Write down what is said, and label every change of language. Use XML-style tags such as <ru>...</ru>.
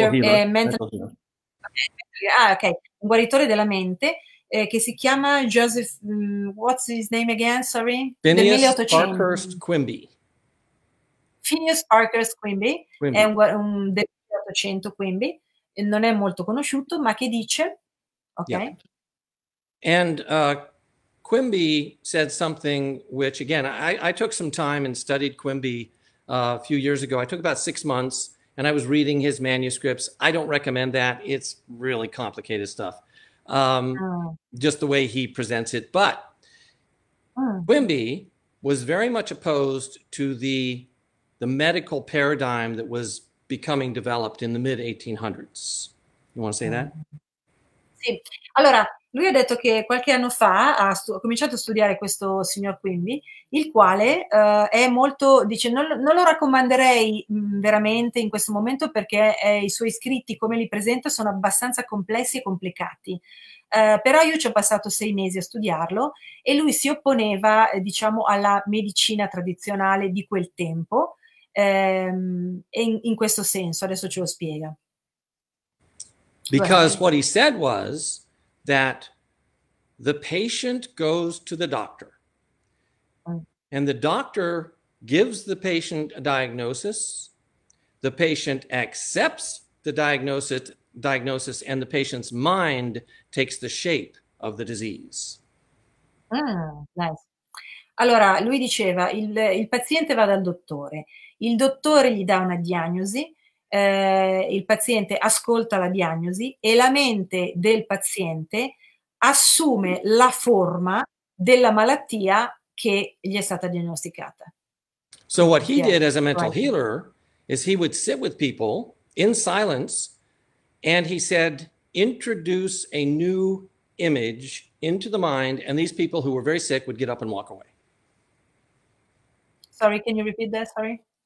<it>Un guaritore della mente che si chiama Joseph,</it> <en>what's his name again, sorry?</en> <it>Phineas Parkhurst Quimby. Phineas Parkhurst Quimby è un del 1800, Quimby, non è molto conosciuto, ma che dice, ok?</it> <en>Yeah. And Quimby said something which, again, I took some time and studied Quimby a few years ago. I took about 6 months and I was reading his manuscripts. I don't recommend that. It's really complicated stuff, just the way he presents it. But Quimby was very much opposed to the medical paradigm that was becoming developed in the mid-1800s. You want to say that?</en> <it>Sì. Allora, lui ha detto che qualche anno fa ha cominciato a studiare questo signor Quimby, il quale è molto, dice, non lo raccomanderei veramente in questo momento perché i suoi scritti, come li presenta, sono abbastanza complessi e complicati. Però io ci ho passato 6 mesi a studiarlo e lui si opponeva, diciamo, alla medicina tradizionale di quel tempo, in questo senso, adesso ce lo spiega.</it> <en>Because what he said was that the patient goes to the doctor and the doctor gives the patient a diagnosis, the patient accepts the diagnosis, and the patient's mind takes the shape of the disease. Nice.</en> <it>Allora, lui diceva, il paziente va dal dottore, il dottore gli dà una diagnosi, il paziente ascolta la diagnosi e la mente del paziente assume la forma della malattia che gli è stata diagnosticata.</it> <en>So what he did as a mental healer is he would sit with people in silence And he said, introduce a new image into the mind, and these people who were very sick would get up and walk away. Sorry, can you repeat that? Sorry.</en>